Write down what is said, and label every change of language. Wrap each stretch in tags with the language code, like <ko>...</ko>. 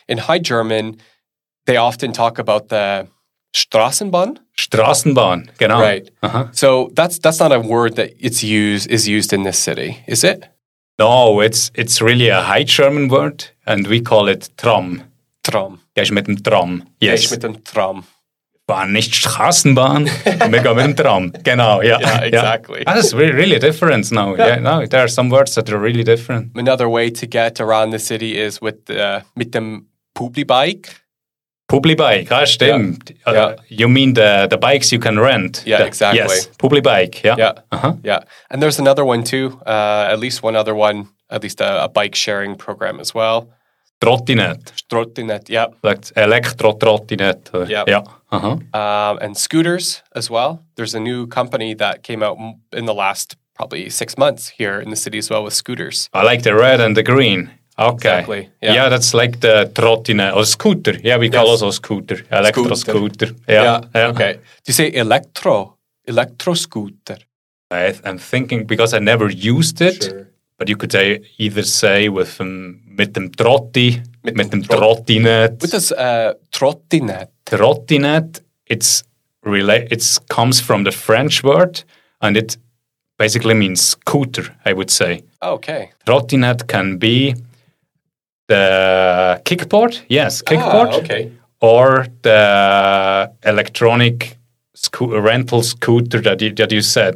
<en>In High German, they often talk about the Straßenbahn.</en> <de>Straßenbahn, genau.</de> <en>Right. Uh-huh. So that's not a word that is used in this city, is it? No, it's really a High German word, and we call it Tram. Tram.</en> <de>Gehst mit dem Tram. Yes. Gehst mit dem Tram. Bahn, nicht Straßenbahn, wir gehen mit dem Tram. Genau, yeah.</de> <en>Yeah, exactly. Yeah. That's really, really different now. Yeah. Yeah, no, there are some words that are really different. Another way to get around the city is with</en> <de>mit dem</de> <en>Publibike. Publibike, ah, stimmt. Yeah. Yeah. You mean the bikes you can rent. Yeah, the, exactly. Yes, Publibike, yeah. Yeah. Uh-huh. Yeah, and there's another one too, at least one other one, at least a bike sharing program as well. Trottinette, yeah. Like Elektro-Trottinette. Yep. Yeah. Uh-huh. And scooters as well. There's a new company that came out in the last probably 6 months here in the city as well with scooters. I like the red and the green. Okay. Exactly. Yeah, that's like the Trottinette or scooter. Yeah, we call also scooter. Elektro-Scooter. Yeah. Okay. Do you say Elektro? Elektro-Scooter. I'm thinking because I never used it. Sure. But you could say either say with</en> <de>mit dem Trotti, mit dem Trottinette.</de> <en>What does Trottinette? Trottinette, it's comes from the French word, and it basically means scooter, I would say. Okay. Trottinette can be the kickboard, yes, kickboard. Ah, okay. Or the electronic rental scooter that you said.</en>